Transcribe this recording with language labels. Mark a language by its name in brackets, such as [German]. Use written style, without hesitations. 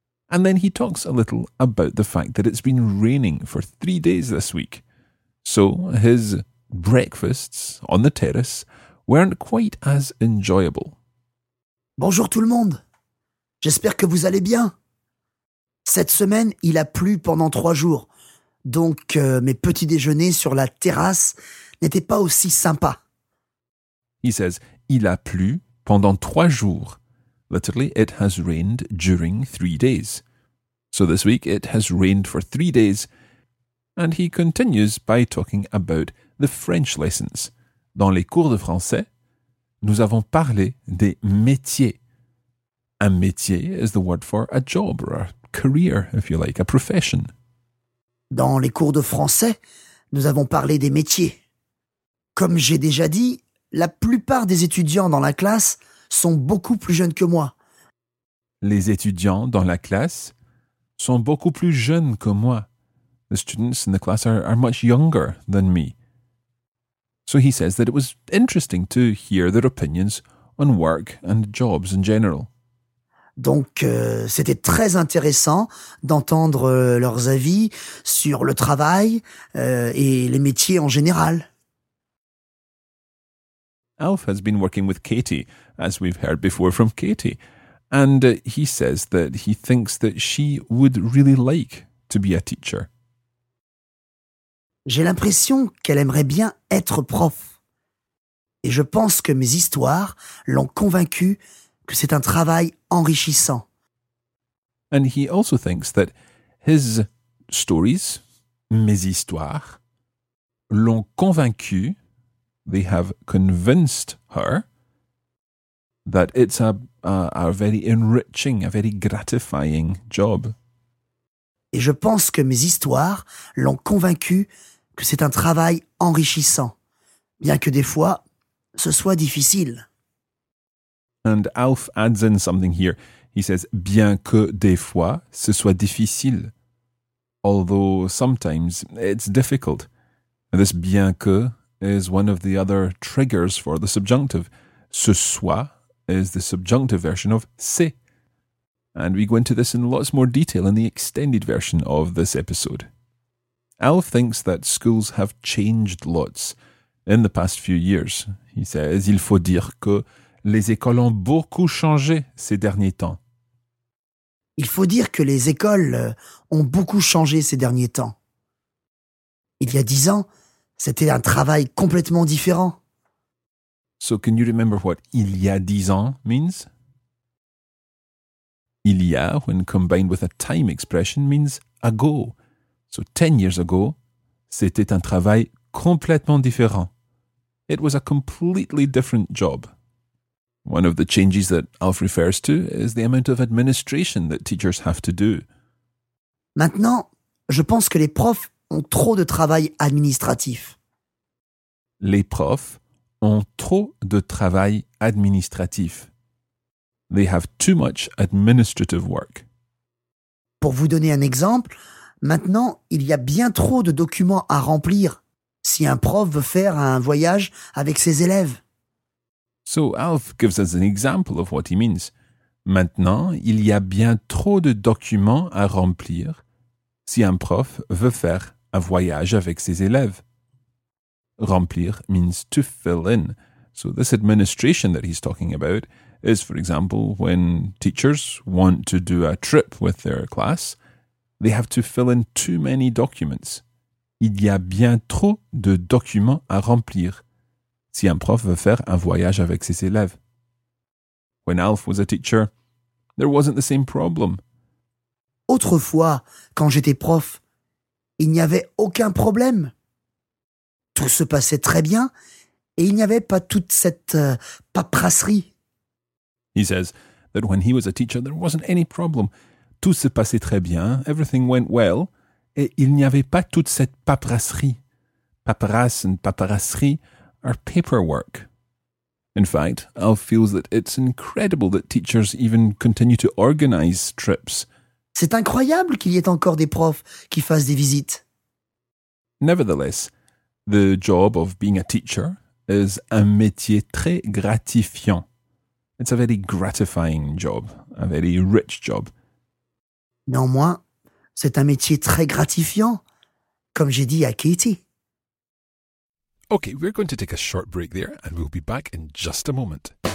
[English] And then he talks a little about the fact that it's been raining for 3 days this week. So his breakfasts on the terrace weren't quite as enjoyable. [French] Bonjour tout le monde. J'espère que vous allez bien. Cette semaine, il a plu pendant 3 jours. Donc mes petits déjeuners sur la terrasse n'étaient pas aussi sympas. [English] He says, [French] il a plu pendant 3 jours. [English] Literally, it has rained during 3 days. So this week, it has rained for 3 days. And he continues by talking about the French lessons. [French] Dans les cours de français, nous avons parlé des métiers. [English] Un métier is the word for a job or a career, if you like, a profession. [French] Dans les cours de français, nous avons parlé des métiers. Comme j'ai déjà dit, la plupart des étudiants dans la classe sont beaucoup plus jeunes que moi. Les étudiants dans la classe sont beaucoup plus jeunes que moi. [English] The students in the class are much younger than me. So he says that it was interesting to hear their opinions on work and jobs in general. [French] Donc, c'était très intéressant d'entendre leurs avis sur le travail et les métiers en général. [English] Alf has been working with Katie, as we've heard before from Katie, and he says that he thinks that she would really like to be a teacher. [French] J'ai l'impression qu'elle aimerait bien être prof. Et je pense que mes histoires l'ont convaincue que c'est un travail enrichissant. [English] And he also thinks that his stories, [French] mes histoires, l'ont convaincue, [English] they have convinced her, that it's a very enriching, a very gratifying job. [French] Et je pense que mes histoires l'ont convaincue que c'est un travail enrichissant, bien que des fois, ce soit difficile. [English] And Alf adds in something here. He says, [French] bien que des fois, ce soit difficile. [English] Although sometimes it's difficult. And this bien que is one of the other triggers for the subjunctive. Ce soit is the subjunctive version of c'est. And we go into this in lots more detail in the extended version of this episode. Alf thinks that schools have changed lots in the past few years. He says, [French] il faut dire que les écoles ont beaucoup changé ces derniers temps. Il faut dire que les écoles ont beaucoup changé ces derniers temps. Il y a 10 ans, c'était un travail complètement différent. [English] So can you remember what [French] il y a 10 ans [English] means? Il y a, when combined with a time expression, means ago. So 10 years ago, [French] c'était un travail complètement différent. [English] It was a completely different job. One of the changes that Alf refers to is the amount of administration that teachers have to do. [French] Maintenant, je pense que les profs ont trop de travail administratif. Les profs ont trop de travail administratif. [English] They have too much administrative work. [French] Pour vous donner un exemple, maintenant, il y a bien trop de documents à remplir si un prof veut faire un voyage avec ses élèves. [English] So Alf gives us an example of what he means. [French] Maintenant, il y a bien trop de documents à remplir si un prof veut faire un voyage avec ses élèves. [English] Remplir means to fill in. So this administration that he's talking about is, for example, when teachers want to do a trip with their class, they have to fill in too many documents. [French] Il y a bien trop de documents à remplir si un prof veut faire un voyage avec ses élèves. [English] When Alf was a teacher, there wasn't the same problem. [French] Autrefois, quand j'étais prof, il n'y avait aucun problème. Tout se passait très bien et il n'y avait pas toute cette paperasserie. [English] He says that when he was a teacher, there wasn't any problem. [French] Tout se passait très bien, [English] everything went well, [French] et il n'y avait pas toute cette paperasserie. [English] Paperasse and paperasserie are paperwork. In fact, Alf feels that it's incredible that teachers even continue to organize trips [French] C'est incroyable qu'il y ait encore des profs qui fassent des visites. [English] Nevertheless, the job of being a teacher is a [French] métier très gratifiant. [English] It's a very gratifying job, a very rich job. [French] Néanmoins, c'est un métier très gratifiant, comme j'ai dit à Katie. [English] Okay, we're going to take a short break there and we'll be back in just a moment.